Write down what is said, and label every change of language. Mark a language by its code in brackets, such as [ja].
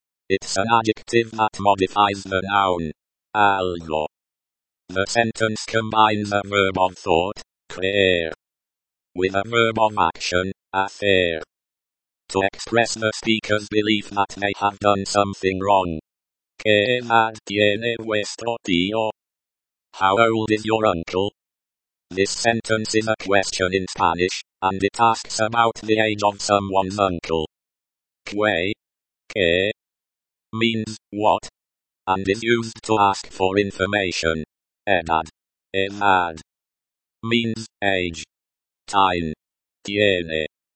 [en] It's an adjective that modifies the noun. Algo. The sentence combines a verb of thought, creer, with a verb of action, hacer, to express the speaker's belief that they have done something wrong. [es] ¿Qué edad tiene vuestro tío? [en] How old is your uncle? This sentence is a question in Spanish, and it asks about the age of someone's uncle. ¿Qué? ¿Qué? Means, what? And is used to ask for information. Edad. Edad. Means, age. Time. Tiene.